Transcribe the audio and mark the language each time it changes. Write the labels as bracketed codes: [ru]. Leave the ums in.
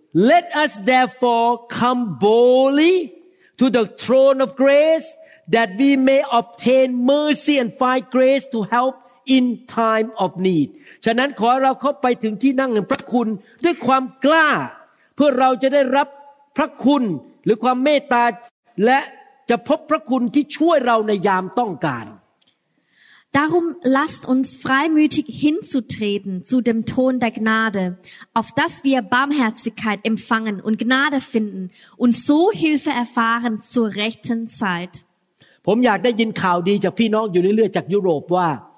[en] Let us therefore come boldly to the throne of grace that we may obtain mercy and find grace to help in time of need [th] ฉะนั้นขอเราเข้าไปถึงที่นั่งแห่งพระคุณด้วยความกล้า เพื่อเราจะได้รับพระคุณหรือความเมตตา และจะพบพระคุณที่ช่วยเราในยามต้องการ [de] Darum lasst uns freimütig hinzutreten zu dem Ton der Gnade, auf dass wir Barmherzigkeit empfangen und Gnade finden und so Hilfe erfahren zur rechten Zeit. [th] ผมอยากได้ยินข่าวดีจากพี่น้องอยู่เรื่อยๆจากยุโรปว่า